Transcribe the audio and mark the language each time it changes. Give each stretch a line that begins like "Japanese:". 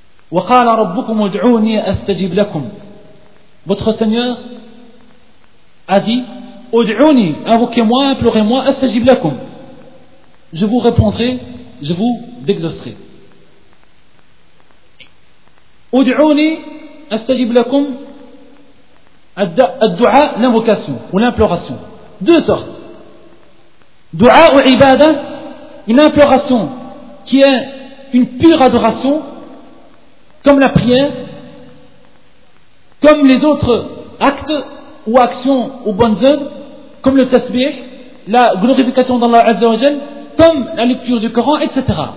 Arabic: وَقَالَ رَبُّكُمُ ادْعُونِي أَسْتَجِبْ لَكُمْ.
French: Votre Seigneur a dit,
Arabic: ادْعُونِي,
French: invoquez-moi, implorez-moi,
Arabic: أَسْتَجِبْ لَكُمْ,
French: je vous répondrai, je vous exaucerai.
Arabic: ادْعُونِي أَسْتَجِبْ لَكُمْ, الدُعَاء,
French: l'invocation ou l'imploration. Deux sortes. Dua ou ibada, une imploration qui est une pure adoration, comme la prière, comme les autres actes ou actions ou bonnes œuvres, comme le tasbih, la glorification d'Allah Azza wa Jal, comme la lecture du Coran, etc.